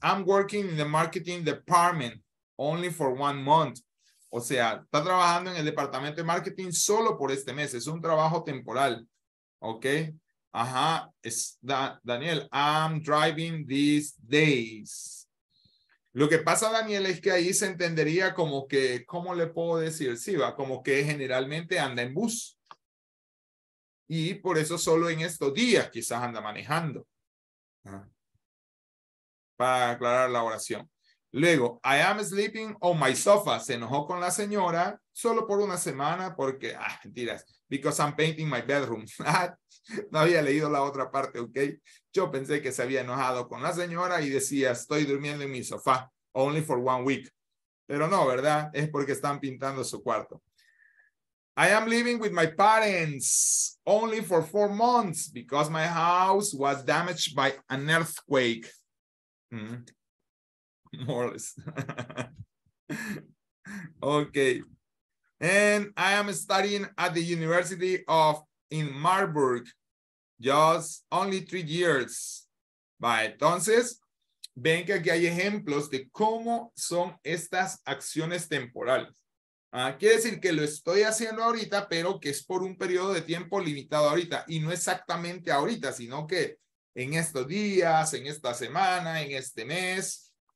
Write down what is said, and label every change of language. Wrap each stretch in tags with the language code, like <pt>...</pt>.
<en>I'm working in the marketing department only for one month.</en> <es>O sea, está trabajando en el departamento de marketing solo por este mes. Es un trabajo temporal. ¿Ok? Ajá.</es> <en>Daniel, I'm driving these days.</en> <es>Lo que pasa, Daniel, es que ahí se entendería como que, ¿cómo le puedo decir? Sí, va, como que generalmente anda en bus. Y por eso solo en estos días quizás anda manejando. Para aclarar la oración. Luego,</es> <en>I am sleeping on my sofa.</en> <es>Se enojó con la señora solo por una semana porque, mentiras,</es> <en>because I'm painting my bedroom.</en> <es>No había leído la otra parte, ¿ok? Yo pensé que se había enojado con la señora y decía, estoy durmiendo en mi sofá,</es> <en>only for one week.</en> <es>Pero no, ¿verdad? Es porque están pintando su cuarto.</es> <en>I am living with my parents only for 4 months because my house was damaged by an earthquake. More or less. Okay. And I am studying at the University in Marburg. Just only 3 years.</en> <es>Vale, entonces, ven que aquí hay ejemplos de cómo son estas acciones temporales. Quiere decir que lo estoy haciendo ahorita, pero que es por un periodo de tiempo limitado ahorita. Y no exactamente ahorita, sino que en estos días, en esta semana, en este mes.</es>